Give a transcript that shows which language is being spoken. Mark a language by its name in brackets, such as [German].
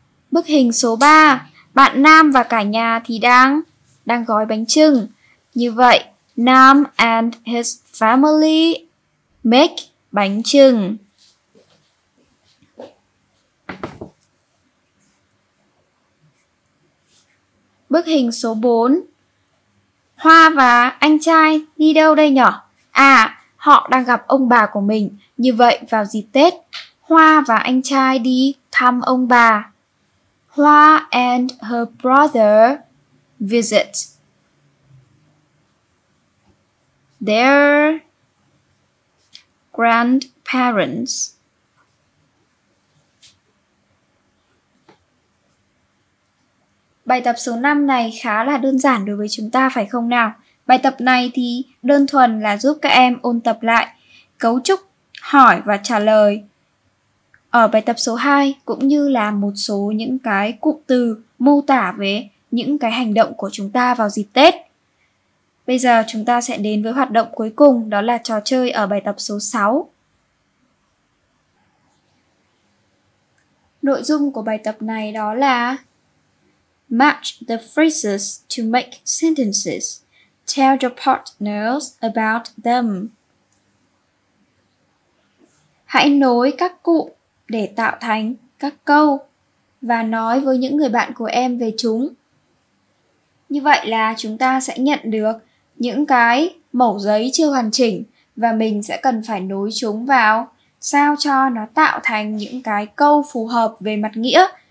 [Vietnamese] Bức hình số 3, bạn Nam và cả nhà thì đang gói bánh chưng. Như vậy [English] Nam and his family make bánh chưng. [Vietnamese] Bức hình số 4. Hoa và anh trai đi đâu đây nhở? À, họ đang gặp ông bà của mình. Như vậy vào dịp Tết, Hoa và anh trai đi thăm ông bà. [English] Hoa and her brother visit their grandparents. [Vietnamese] Bài tập số 5 này khá là đơn giản đối với chúng ta phải không nào? Bài tập này thì đơn thuần là giúp các em ôn tập lại cấu trúc hỏi và trả lời ở bài tập số 2 cũng như là một số những cái cụm từ mô tả về những cái hành động của chúng ta vào dịp Tết. Bây giờ chúng ta sẽ đến với hoạt động cuối cùng, đó là trò chơi ở bài tập số 6. Nội dung của bài tập này đó là [English] Match the phrases to make sentences. Tell your partners about them. [Vietnamese] Hãy nối các cụm để tạo thành các câu và nói với những người bạn của em về chúng. Như vậy là chúng ta sẽ nhận được những cái mẩu giấy chưa hoàn chỉnh và mình sẽ cần phải nối chúng vào sao cho nó tạo thành những cái câu phù hợp về mặt nghĩa.